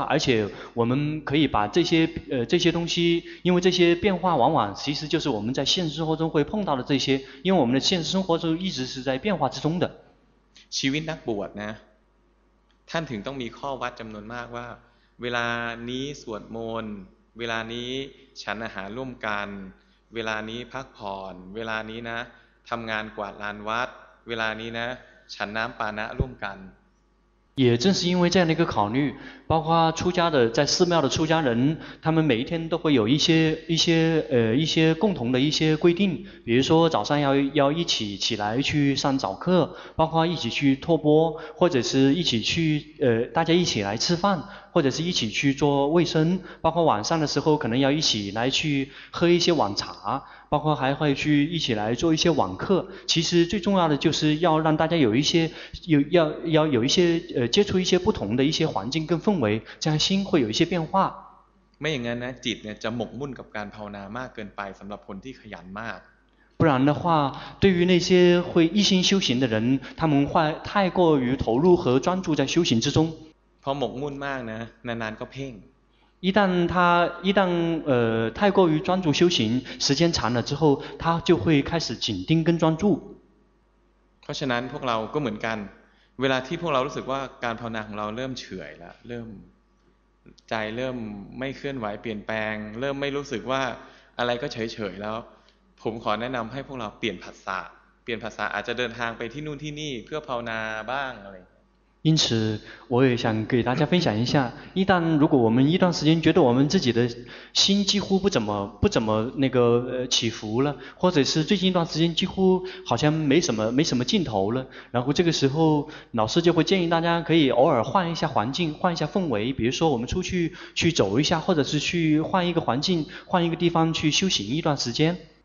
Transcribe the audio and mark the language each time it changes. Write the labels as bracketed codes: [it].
[zh] 而且我们可以把这些东西，因为这些变化往往其实就是我们在现实生活中会碰到的这些，因为我们的现实生活中一直是在变化之中的。 [th] ชีวิตนักบวชนะท่านถึงต้องมีข้อวัดจำนวนมากว่าเวลานี้สวดมนต์เวลานี้ฉันอาหารร่วมกันเวลานี้พักผ่อนเวลานี้นะทำงานกวาดลานวัดเวลานี้นะฉันน้ำปานะร่วมกัน [zh] 也正是因为这样的一个考虑，包括出家的在寺庙的出家人，他们每一天都会有一些共同的一些规定，比如说早上要一起起来去上早课，包括一起去托钵，或者是一起去大家一起来吃饭，或者是一起去做卫生，包括晚上的时候可能要一起来去喝一些晚茶，包括还会去一起来做一些网课。其实最重要的就是要让大家有一些有要要有一些接触一些不同的一些环境跟氛围，这样心会有一些变化。 [th] ไม่อย่างนั้นนะจิตเนี่ยจะหมกมุ่นกับการภาวนามากเกินไปสำหรับคนที่ขยันมาก。 [zh] 不然的话，对于那些会一心修行的人，他们会太过于投入和专注在修行之中。 [th] พอหมกมุ่นมากนะนานๆก็เพ่ง。 [zh] 一旦太过于专注修行，时间长了之后，他就会开始紧盯跟专注。 [th] เพราะฉะนั้นพวกเราก็เหมือนกันเวลาที่พวกเรารู้สึกว่าการภาวนาของเราเริ่มเฉื่อยละเริ่มใจเริ่มไม่เคลื่อนไหวเปลี่ยนแปลงเริ่มไม่รู้สึกว่าอะไรก็เฉยเฉยแล้วผมขอแนะนำให้พวกเราเปลี่ยนภาษาเปลี่ยนภาษาอาจจะเดินทางไปที่นู่นที่นี่เพื่อภาวนาบ้างอะไร [zh] 因此我也想给大家分享一下，一旦如果我们一段时间觉得我们自己的心几乎不怎么那个起伏了，或者是最近一段时间几乎好像没什么劲头了，然后这个时候老师就会建议大家可以偶尔换一下环境，换一下氛围，比如说我们出去走一下，或者是去换一个环境，换一个地方去修行一段时间。